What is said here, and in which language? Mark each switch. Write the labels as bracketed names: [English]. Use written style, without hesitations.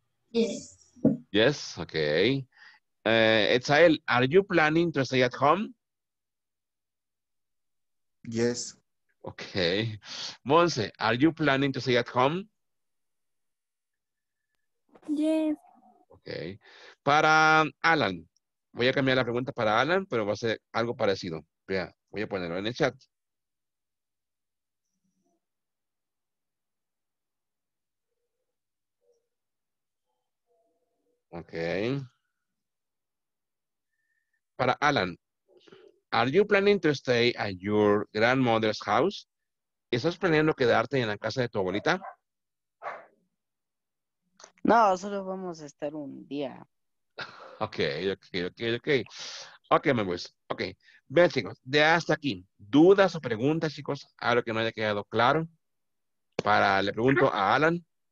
[English] Yes. Yes, okay. Etzael, are you planning to stay at home? Yes. Okay. Monse, are you planning to stay at home? Yes. Okay. [Spanish] Para Alan, voy a cambiar la pregunta para Alan, pero va a ser algo parecido. Vea, voy a ponerlo en el chat. [English] Okay. [Spanish] Para [English] Alan, are you planning to stay at your grandmother's house? [Spanish] ¿Estás planeando quedarte en la casa de tu abuelita? No, solo vamos a estar un día. [English] Okay, okay, okay, okay. Okay, [Spanish] me voy. [English] Okay. [Spanish] Vean, chicos, de hasta aquí. ¿Dudas o preguntas, chicos? ¿Algo que no haya quedado claro? Para, le pregunto a Alan.